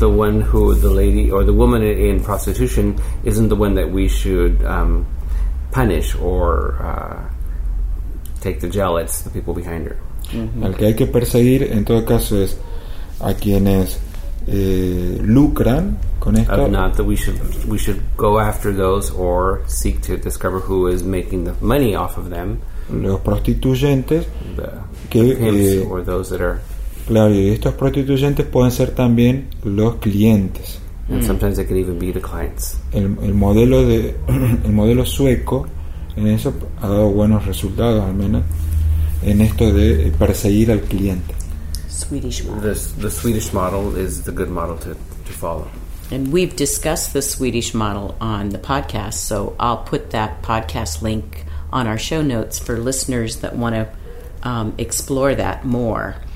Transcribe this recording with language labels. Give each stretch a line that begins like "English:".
English: The one who the lady or the woman in prostitution isn't the one that we should punish or take to jail. It's the people behind her. Mm-hmm.
Spanish: Al que hay que perseguir en todo caso es a quienes lucran.
English: Of not that we should go after those or seek to discover who is making the money off of them.
Spanish: Los prostituyentes,
English: the pimps, or those that are
Spanish: Claro, y estos prostituyentes pueden ser también los clientes.
English: And sometimes they could even be the clients.
Spanish: El modelo sueco en eso ha dado buenos resultados, al menos en esto de perseguir al cliente.
English: Swedish model. The Swedish model is the good model to follow. And we've discussed the Swedish model on the podcast, so I'll put that podcast link on our show notes for listeners that want to explore that more.